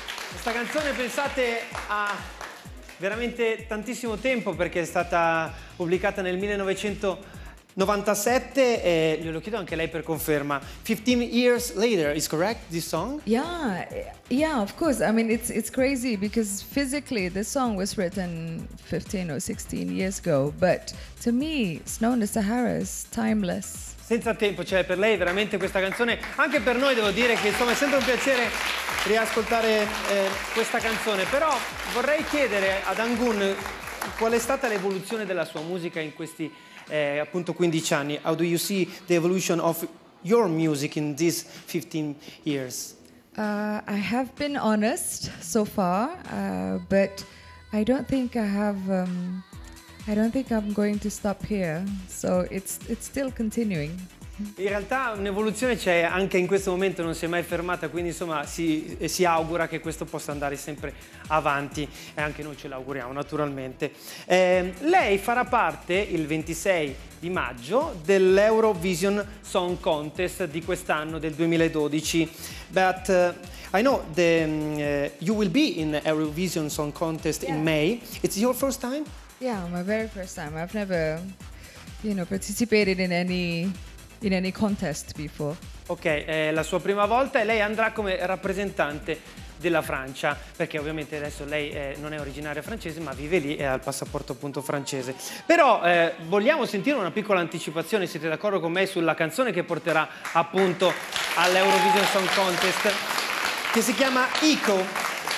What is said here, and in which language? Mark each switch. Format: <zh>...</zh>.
<it>Questa canzone, pensate, ha veramente tantissimo tempo, perché è stata pubblicata nel 1997 e glielo chiedo anche lei per conferma.</it> <en>15 years later, is correct this song? Yeah, of course. I mean, it's crazy because physically this song was written 15 or 16 years ago, but to me, Snow in the Sahara is timeless.</en> <it>Senza tempo, cioè per lei veramente questa canzone, anche per noi devo dire che insomma è sempre un piacere riascoltare questa canzone, però vorrei chiedere ad Anggun qual è stata l'evoluzione della sua musica in questi appunto 15 anni.</it> <en>How do you see the evolution of your music in these 15 years? I have been honest so far, but I don't think I have I don't think I'm going to stop here, so it's still continuing.</en> <it>In realtà un'evoluzione c'è anche in questo momento, non si è mai fermata, quindi insomma si augura che questo possa andare sempre avanti e anche noi ce l'auguriamo naturalmente. Lei farà parte il 26 di maggio dell'Eurovision Song Contest di quest'anno, del 2012.</it> <en>But I know the you will be in Eurovision Song Contest, yeah, in May. It's your first time? Yeah, my very first time. I've never, you know, participated in any contest before.</en> <it>Ok, è la sua prima volta e lei andrà come rappresentante della Francia, perché ovviamente adesso lei non è originaria francese, ma vive lì e ha il passaporto appunto francese. Però vogliamo sentire una piccola anticipazione, siete d'accordo con me, sulla canzone che porterà appunto all'Eurovision Song Contest, che si chiama Echo.</it>